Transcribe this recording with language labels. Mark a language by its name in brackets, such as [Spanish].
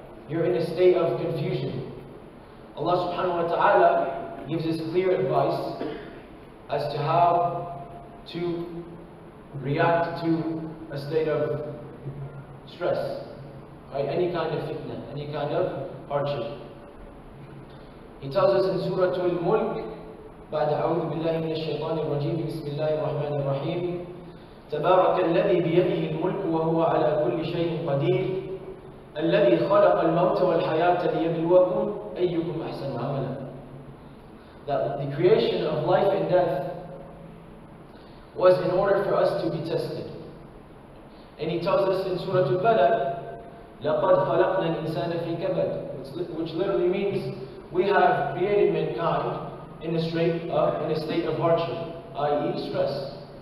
[English] You're in a state of confusion. Allah subhanahu wa ta'ala gives us clear advice as to how to react to a state of stress, right? Any kind of fitna, any kind of hardship. He tells us in Surah Al-Mulk, [Arabic] بعد أعوذ بالله من الشيطان الرجيم بسم الله الرحمن الرحيم تبارك الذي بيده الملك وهو على كل شيء قدير الذي خلق الموت والحياة ليبلوكم أيكم أحسن عملا. [English] That the creation of life and death was in order for us to be tested. And he tells us in Surah Al-Qalam, [Arabic] لَقَدْ خَلَقْنَا الْإِنسَانَ فِي كَبَدٍ, [English] which literally means we have created mankind in a state of hardship, i.e. stress.